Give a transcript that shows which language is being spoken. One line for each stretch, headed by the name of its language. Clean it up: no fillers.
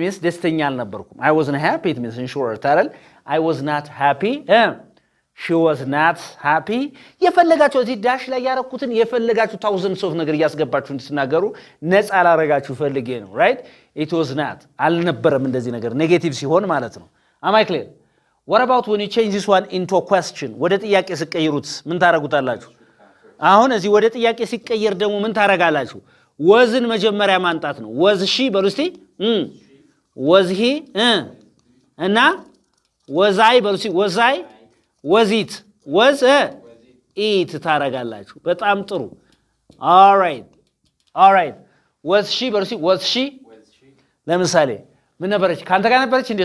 Amharic: means ደስተኛ አልነበርኩም
English: I was not happy it means in short
Amharic: አረለ
English: I was not happy she was not happy
Amharic: የፈለጋችሁ እዚህ ዳሽ ላይ ያረኩትን የፈለጋችሁ 1000 ሶፍ ነገር ያስገባችሁ እንድትናገሩ ነፃ አላረጋችሁ ፈልጌ ነው right it was not አልነበረም እንደዚህ ነገር ኔጌቲቭ ሲሆን ማለት ነው
English: Am I clear? What about when you change this one into a question?
Amharic: ወደ ጥያቄ ሲቀየሩት ምን ታረጋጉታላችሁ? አሁን እዚ ወደ ጥያቄ ሲቀየር ደግሞ ምን ታረጋላችሁ? ወዝን መጀመሪያ ማንጣት ነው። ወዝ ሺ በሉስቲ ወዝሂ እና ወዛይ በሉስቲ ወዛይ ወዚት ወዝ ኢት ታረጋላችሁ። በጣም ጥሩ። ኦራይት ኦራይት። ወዝ ሺ በሉስቲ ወዝ ሺ ለምሳሌ ምን ነበረች? ካንተ ጋር ነበረች እንዴ?